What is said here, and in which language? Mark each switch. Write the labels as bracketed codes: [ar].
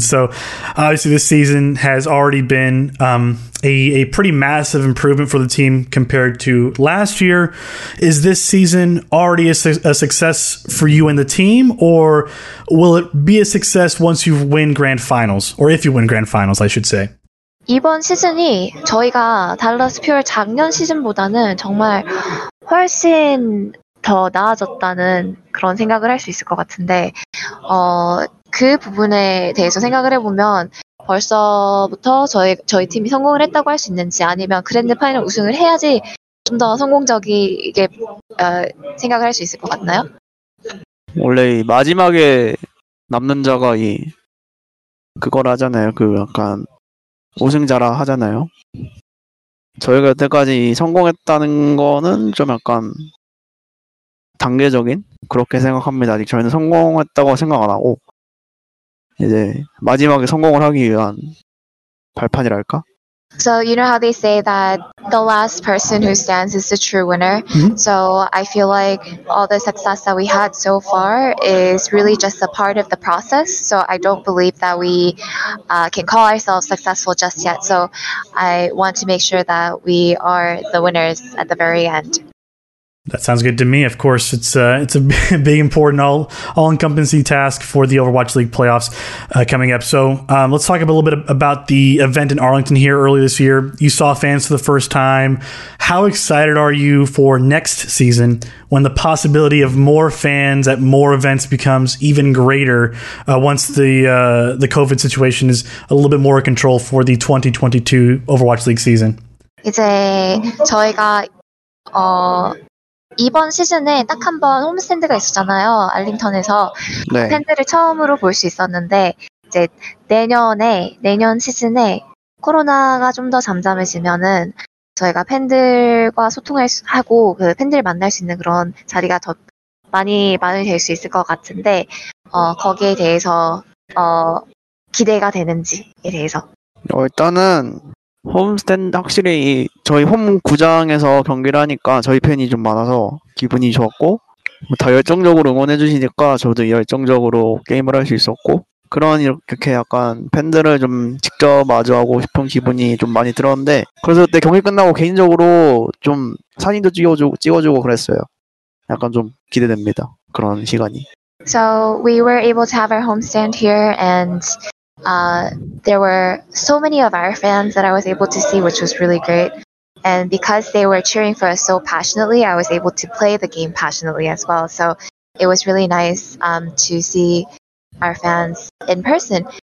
[en] So obviously this season has already been a pretty massive improvement for the team compared to last year. Is this season already a success for you and the team, or will it be a success once you win Grand Finals, or if you win Grand Finals, I should say? [ko] 이번 시즌이 저희가 달러스 퓨어 작년 시즌보다는 정말 훨씬 더 나아졌다는 그런 생각을 할 수 있을 것 같은데 그 부분에 대해서 생각을 해보면 벌써부터 저희 팀이 성공을 했다고 할 수 있는지 아니면 그랜드 파이널 우승을 해야지 좀 더 성공적이게 생각을 할 수 있을 것 같나요? 원래 이 마지막에 남는 자가 이 그걸 하잖아요. 그 약간 우승자라 하잖아요. 저희가 여태까지 성공했다는 거는 좀 약간 단계적인? 그렇게 생각합니다. 아직 저희는 성공했다고 생각 안 하고 이제 마지막에 성공을 하기 위한 발판이랄까? [en] So you know how they say that the last person who stands is the true winner? Mm-hmm. So I feel like all the success that we had so far is really just a part of the process. So I don't believe that we can call ourselves successful just yet. So I want to make sure that we are the winners at the very end. That sounds good to me. Of course, it's a big, important, all-encompassing task for the Overwatch League playoffs coming up. So let's talk a little bit about the event in Arlington here early this year. You saw fans for the first time. How excited are you for next season when the possibility of more fans at more events becomes even greater once the COVID situation is a little bit more in control for the 2022 Overwatch League season? [ko] 이제 저희가 이번 시즌에 딱 한 번 홈스탠드가 있었잖아요. 알링턴에서 네. 팬들을 처음으로 볼 수 있었는데 이제 내년 시즌에 코로나가 좀 더 잠잠해지면은 저희가 팬들과 하고 그 팬들을 만날 수 있는 그런 자리가 더 많이 마련이 될 수 있을 것 같은데 거기에 대해서 기대가 되는지에 대해서 일단은 홈스탠드 확실히 저희 홈 구장에서 경기를 하니까 저희 팬이 좀 많아서 기분이 좋았고 다 열정적으로 응원해 주시니까 저도 열정적으로 게임을 할 수 있었고 그런 이렇게 약간 팬들을 좀 직접 마주하고 싶은 기분이 좀 많이 들었는데 그래서 그때 경기 끝나고 개인적으로 좀 사진도 찍어주고 그랬어요. 약간 좀 기대됩니다. 그런 시간이. [en] So we were able to have our home stand here and there were so many of our fans that I was able to see, which was really great. And because they were cheering for us so passionately, I was able to play the game passionately as well. So it was really nice to see our fans in person.